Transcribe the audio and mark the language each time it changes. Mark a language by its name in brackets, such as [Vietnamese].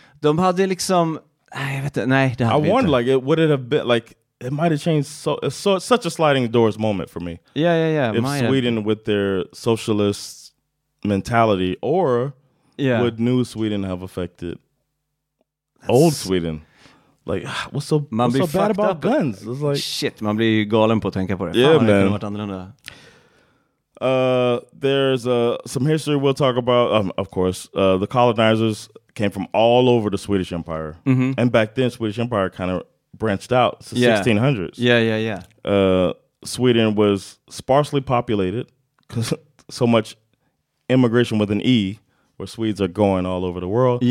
[Swedish] De hade liksom... Nej, jag vet inte. Nej, det hade [English] I wonder, like, would it have been, like, it might have changed. So it's such a sliding doors moment for me. Yeah, yeah, yeah. If Sweden with their socialist mentality, or would new Sweden have affected old Sweden? Like, what's so bad about guns? It's like, shit, [Swedish] man blir ju galen på att tänka på det. [English] Yeah, man. [Swedish] Det kunde varit annorlunda. [English] There's some history we'll talk about, of course. The colonizers came from all over the Swedish Empire. Mm-hmm. And back then, Swedish Empire kind of branched out to the 1600s. Yeah, yeah, yeah. Sweden was sparsely populated because so much immigration with an E, where Swedes are going all over the world.